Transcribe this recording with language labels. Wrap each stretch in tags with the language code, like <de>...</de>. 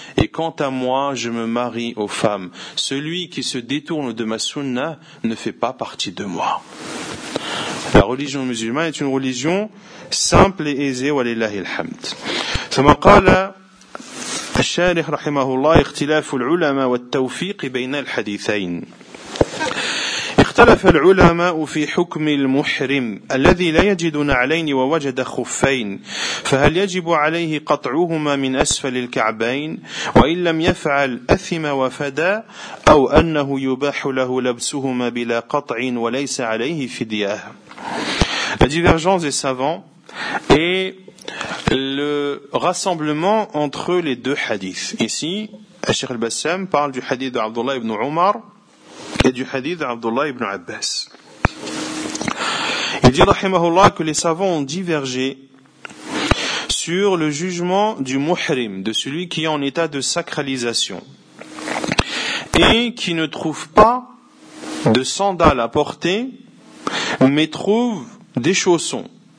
<fr>Et quant à moi, je me marie aux femmes. Celui qui se détourne de ma sunna ne fait pas partie de moi. » La religion musulmane est une religion simple et aisée.</fr> <ar>Walillahi alhamd.</ar> <fr>Comme a dit le charih,</fr> <ar>rahimahullah, اختلاف العلماء والتوفيق بين الحديثين. اختلف العلماء في حكم المحرم الذي لا يجد نعلين ووجد خفين فهل يجب عليه قطعهما من أسفل الكعبين وإن لم يفعل أثم وفدا أو أنه يباح له لبسهما بلا قطع وليس عليه فدية.</ar> <fr>La divergence des savants et le rassemblement entre les deux hadiths. Ici, Cheikh Al-Bassam parle du hadith d'Abdullah ibn Omar et du hadith d'Abdullah ibn Abbas. Il dit, rahimahullah, que les savants ont divergé sur le jugement du muhrim, de celui qui est en état de sacralisation, et qui ne trouve pas de sandales à porter, mais trouve des chaussons.</fr>